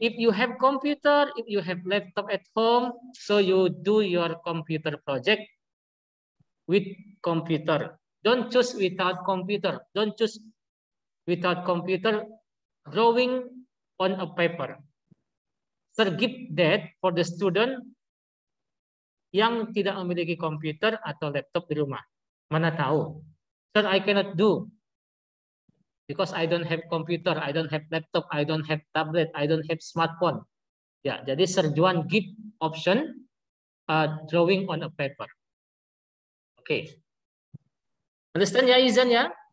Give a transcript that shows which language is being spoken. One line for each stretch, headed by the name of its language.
English: If you have computer, if you have laptop at home, so you do your computer project with computer. Don't choose without computer. Don't choose without computer drawing on a paper. Sir, give that for the student
Indonesian: yang tidak memiliki komputer atau laptop di rumah. Mana tahu.
English: Sir, I cannot do. Because I don't have computer, I don't have laptop, I don't have tablet, I don't have smartphone.
Indonesian: Ya, jadi
English: Sir Juan give option drawing on a paper. Oke. Okay. Understand ya, Izan ya?